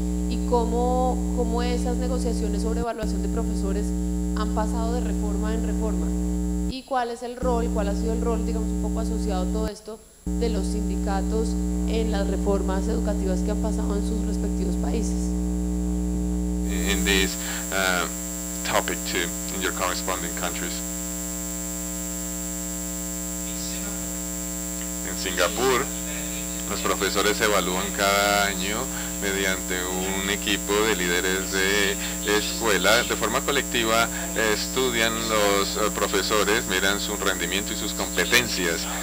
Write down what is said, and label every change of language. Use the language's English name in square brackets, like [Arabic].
[Spanish] ¿Y cómo esas negociaciones sobre evaluación de profesores han pasado de reforma en reforma? ¿Y cuál es el rol, cuál ha sido el rol, digamos, un poco asociado a todo esto, de los sindicatos en las reformas educativas que han pasado en sus respectivos países? [English] In this topic too, in your corresponding countries. [Spanish] En Singapur, los profesores se evalúan cada año mediante un equipo de líderes de escuela. De forma colectiva estudian los profesores, miran su rendimiento y sus competencias.